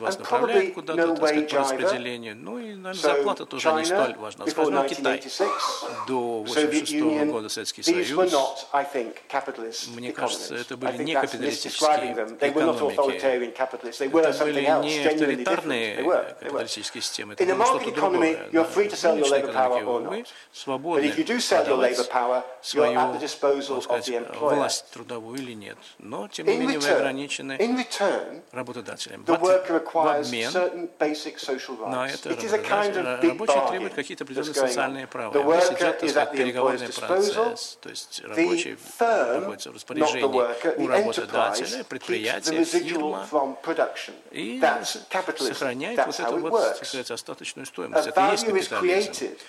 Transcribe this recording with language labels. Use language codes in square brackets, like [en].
[ru] Вас направляют куда-то, так сказать, по распределению. Ну и, наверное, зарплата тоже не столь важна. Скажем, ну, Китай до 1986 года, Советский Союз, мне кажется, это были не капиталистические экономики. Это были не авторитарные капиталистические системы. Это было что-то другое. В рыночной экономике вы свободны. [en] If you do sell your labor power, you're at the disposal of the employer. [ru] Власть трудовую или нет, но тем не менее вы ограничены работодателем. [en] The worker requires certain basic social rights. It is a kind of big bargain. [ru] Рабочий требует какие-то определенные социальные права. [en] The worker is at the employer's disposal. [ru] То есть рабочий находится в распоряжении у работодателя, предприятия, фирмы. И сохраняет вот эту вот, так сказать, остаточную стоимость. Это и есть капитализм.